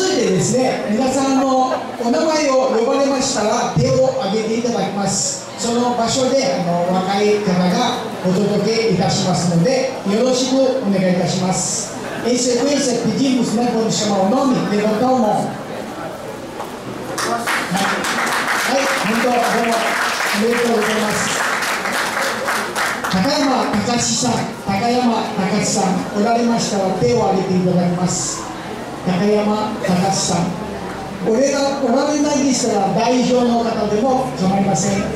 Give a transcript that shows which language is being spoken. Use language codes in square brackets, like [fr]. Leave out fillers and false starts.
[ja] ですね、皆さんのお名前を呼ばれましたら手を挙げていただきます。その場所で若い方がお届けいたしますのでよろしくお願いいたします。 [pt] Em sequência pedimos né, com o seu nome, levanta a mão. [ja] はい、本当どうもおめでとうございます。高山隆さん、高山隆さんおられましたら手を挙げていただきます。高山隆さん、俺がおられないでしたら代表の方でも構いません。